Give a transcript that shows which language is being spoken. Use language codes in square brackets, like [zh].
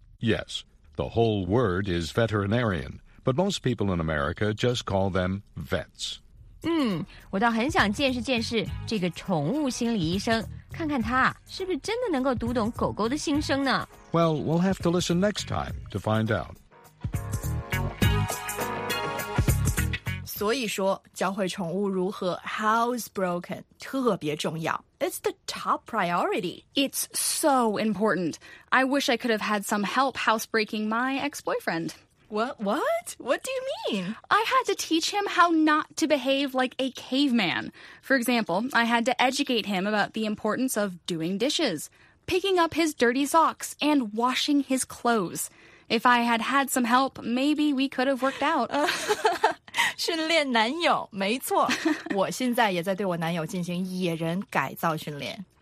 [en] Yes, the whole word is veterinarian, but most people in America just call them vets. [zh] 我倒很想见识见识这个宠物心理医生,看看他是不是真的能够读懂狗狗的心声呢? [en] Well, we'll have to listen next time to find out. [zh] 所以说,教会宠物如何 housebroken 特别重要。 [en] It's the top priority. It's so important. I wish I could have had some help housebreaking my ex-boyfriend. What? What do you mean? I had to teach him how not to behave like a caveman. For example, I had to educate him about the importance of doing dishes, picking up his dirty socks, and washing his clothes. If I had had some help, maybe we could have worked out. [zh] 训练男友,没错,我现在也在对我男友进行野人改造训练。